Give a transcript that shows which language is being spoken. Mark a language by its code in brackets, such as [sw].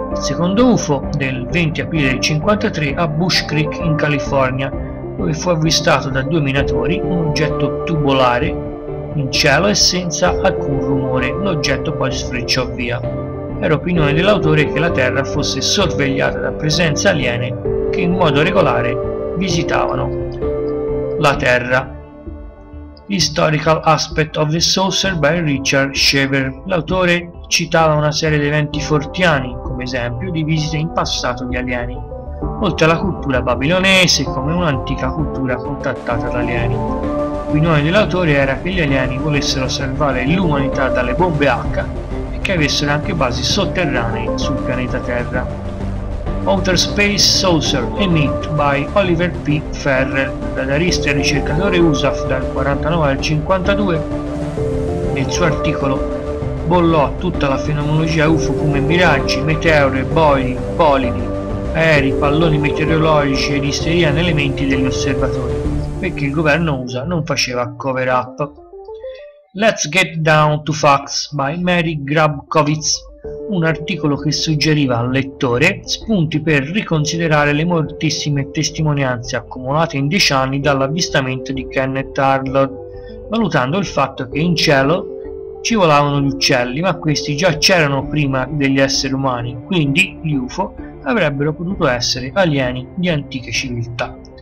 [it] Il secondo UFO del 20 aprile del 1953 a Bush Creek in California, dove fu avvistato da due minatori un oggetto tubolare in cielo e senza alcun rumore. L'oggetto poi sfrecciò via. Era opinione dell'autore che la Terra fosse sorvegliata da presenze aliene che in modo regolare visitavano la Terra. [en] Historical Aspect of the Saucer by Richard Shaver. [it] L'autore citava una serie di eventi fortiani come esempio di visite in passato di alieni, oltre alla cultura babilonese come un'antica cultura contattata da alieni. L'opinione dell'autore era che gli alieni volessero salvare l'umanità dalle bombe H e che avessero anche basi sotterranee sul pianeta Terra. [en] Outer Space Saucer e Myth by Oliver P. [it] Ferrer, radarista e ricercatore USAF dal 49 al 52, nel suo articolo bollò tutta la fenomenologia UFO come miraggi, meteore, boidi, bolidi, aerei, palloni meteorologici ed isteria nelle menti degli osservatori, perché il governo USA non faceva cover up. [en] Let's Get Down to Facts by Mary Grabkovitz. [it] Un articolo che suggeriva al lettore spunti per riconsiderare le moltissime testimonianze accumulate in 10 anni dall'avvistamento di Kenneth Arnold, valutando il fatto che in cielo ci volavano gli uccelli, ma questi già c'erano prima degli esseri umani, quindi gli UFO avrebbero potuto essere alieni di antiche civiltà.